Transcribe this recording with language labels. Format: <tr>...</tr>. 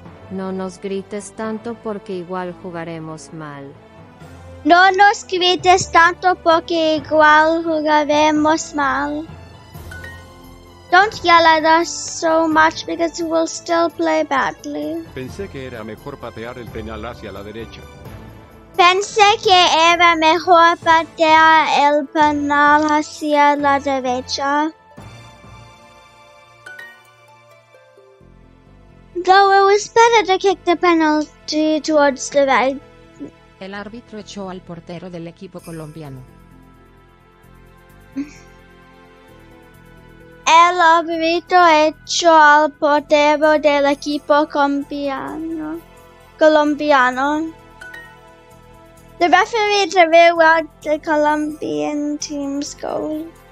<es>No nos grites tanto porque igual jugaremos mal. No nos grites tanto porque igual jugaremos mal.</es> <en>Don't yell at us so much because we'll still play badly.</en> <es>Pensé que era mejor patear el penal hacia la derecha. Pensé que era mejor patear el penal hacia la derecha.</es> <en>Though it was better to kick the penalty towards the right.</en> <es>El árbitro echó al portero del equipo colombiano. El árbitro echó al portero del equipo colombiano.</es> <en>The referee threw out the Colombian team's goal.</en>